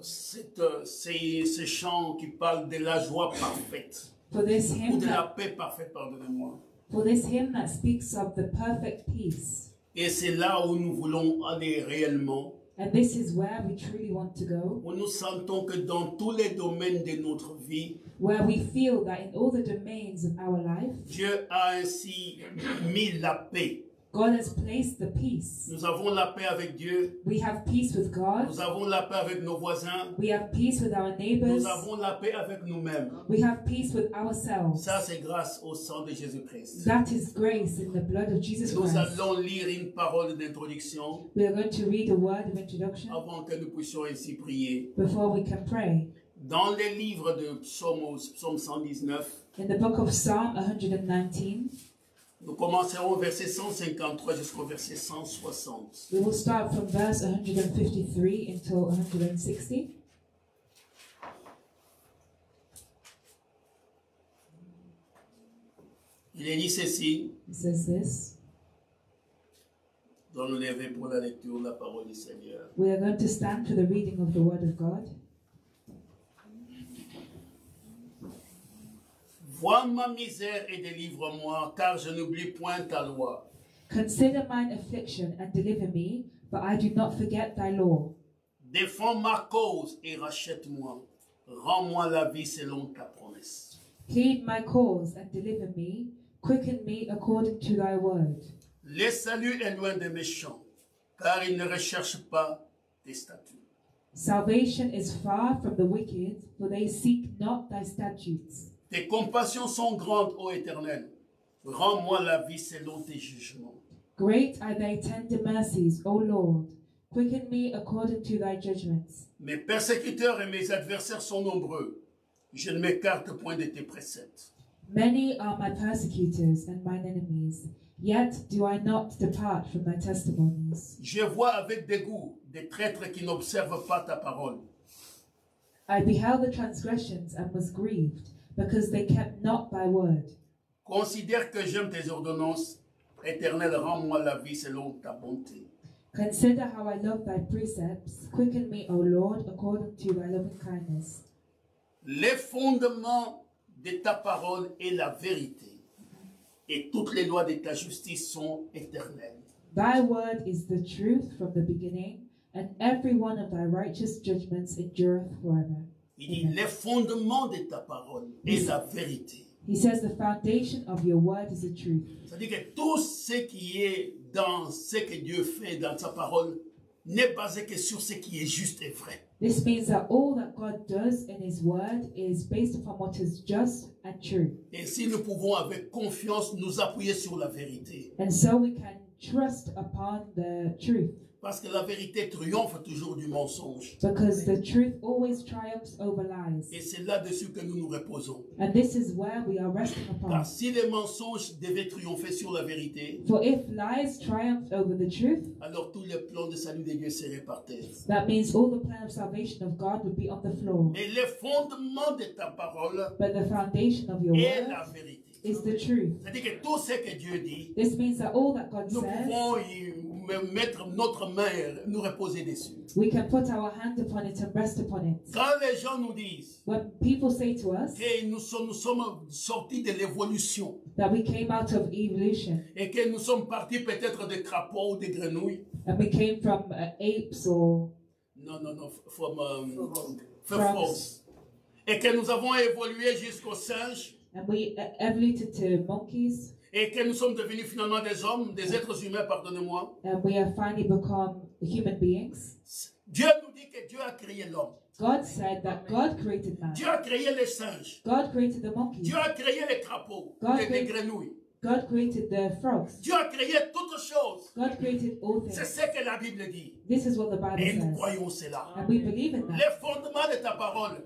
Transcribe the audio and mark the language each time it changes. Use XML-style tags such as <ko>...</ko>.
<fr>ce chant qui parle de la joie parfaite,</fr> <en>for this hymn,</en> <fr>ou de la paix parfaite, pardonnez-moi.</fr> <en>For this hymn that speaks of the perfect peace.</en> <fr>Et c'est là où nous voulons aller réellement.</fr> <en>And this is where we truly want to go.</en> <fr>Où nous sentons que dans tous les domaines de notre vie,</fr> <en>where we feel that in all the domains of our life,</en> <fr>Dieu a ainsi mis la paix.</fr> <en>God has placed the peace.</en> <fr>Nous avons la paix avec Dieu.</fr> <en>We have peace with God.</en> <fr>Nous avons la paix avec nos voisins.</fr> <en>We have peace with our neighbors.</en> <fr>Nous avons la paix avec nous-mêmes.</fr> <en>We have peace with ourselves.</en> <fr>Ça, c'est grâce au sang de Jésus-Christ.</fr> <en>That is grace in the blood of Jesus Christ.</en> <fr>Nous allons lire une parole d'introduction.</fr> <en>We are going to read a word of introduction.</en> <fr>Avant que nous puissions ainsi prier.</fr> <en>Before we can pray.</en> <fr>Dans les livres de Psaume 119.</fr> <en>In the book of Psalm 119.</en> <fr>Nous commencerons au verset 153 jusqu'au verset 160.</fr> <en>We will start from verse 153 until 160.</en> <fr>Il est dit ceci.</fr> <en>It says this.</en> <fr>Dans le lever pour la lecture de la parole du Seigneur.</fr> <en>We are going to stand for the reading of the word of God.</en> <fr>Vois ma misère et délivre-moi, car je n'oublie point ta loi.</fr> <en>Consider mine affliction and deliver me, for I do not forget thy law.</en> <fr>Défends ma cause et rachète-moi. Rends-moi la vie selon ta promesse.</fr> <en>Plead my cause and deliver me. Quicken me according to thy word.</en> <fr>Le salut est loin des méchants, car ils ne recherchent pas tes statuts.</fr> <en>Salvation is far from the wicked, for they seek not thy statutes.</en> <fr>Tes compassions sont grandes, ô Éternel. Rends-moi la vie selon tes jugements.</fr> <en>Great are thy tender mercies, O Lord. Quicken me according to thy judgments.</en> <fr>Mes persécuteurs et mes adversaires sont nombreux. Je ne m'écarte point de tes préceptes.</fr> <en>Many are my persecutors and mine enemies, yet do I not depart from thy testimonies.</en> <fr>Je vois avec dégoût des traîtres qui n'observent pas ta parole.</fr> <en>I beheld the transgressions and was grieved, because they kept not thy word.</en> <fr>Considère que j'aime tes ordonnances. Éternel, rends-moi la vie selon ta bonté.</fr> <en>Consider how I love thy precepts. Quicken me, O Lord, according to thy loving kindness.</en> <fr>Les fondements de ta parole est la vérité, et toutes les lois de ta justice sont éternelles.</fr> <en>Thy word is the truth from the beginning, and every one of thy righteous judgments endureth forever.</en> <fr>Il dit, les fondements de ta parole est la vérité.</fr> <en>He says, the foundation of your word is the truth.</en> <fr>C'est-à-dire que tout ce qui est dans ce que Dieu fait dans sa parole n'est basé que sur ce qui est juste et vrai.</fr> <en>This means that all that God does in his word is based upon what is just and true.</en> <fr>Et si nous pouvons avec confiance nous appuyer sur la vérité.</fr> <en>And so we can trust upon the truth.</en> <fr>Parce que la vérité triomphe toujours du mensonge.</fr> <en>Because the truth always triumphs over lies.</en> <fr>Et c'est là-dessus que nous nous reposons.</fr> <en>And this is where we are resting upon.</en> <fr>Car si les mensonges devaient triompher sur la vérité,</fr> <en>for if lies triumphed over the truth,</en> <fr>alors tous les plans de salut de Dieu seraient par terre.</fr> <en>That means all the plan of salvation of God would be on the floor.</en> <fr>Mais le fondement de ta parole,</fr> <en>but the foundation of your</en> <fr>est</fr> <en>word</en> <fr>la vérité.</fr> <en>Is the truth.</en> <fr>C'est-à-dire que tout ce que Dieu dit,</fr> <en>this means that all that God</en> <fr>nous</fr> <en>says,</en> <fr>pouvons mettre notre main, nous reposer dessus.</fr> <en>We can put our hand upon it and rest upon it.</en> <fr>Quand les gens nous disent,</fr> <en>when people say to us,</en> <fr>que nous sommes sortis de l'évolution,</fr> <en>that we came out of evolution,</en> <fr>et que nous sommes partis peut-être de crapauds ou de grenouilles,</fr> <en>and we came from apes or from frogs,</en> <fr>et que nous avons évolué jusqu'au singe.</fr> <en>And we evolved to monkeys.</en> <fr>Et que nous sommes devenus finalement des hommes, des êtres humains, pardonnez-moi.</fr> <en>And we have finally become human beings.</en> <fr>Dieu nous dit que Dieu a créé l'homme.</fr> <en>God said that God created man.</en> <fr>Dieu a créé les singes.</fr> <en>God created the monkeys.</en> <fr>Dieu a créé les crapauds, les grenouilles.</fr> <en>God created the frogs.</en> <fr>Dieu a créé toutes choses.</fr> <en>God created all things.</en> <fr>C'est ce que la Bible dit.</fr> <en>This is what the Bible</en> <fr>et</fr> <en>says.</en> <fr>Et croyons cela.</fr> <en>And we believe in that.</en> <fr>Le fondement de ta parole.</fr>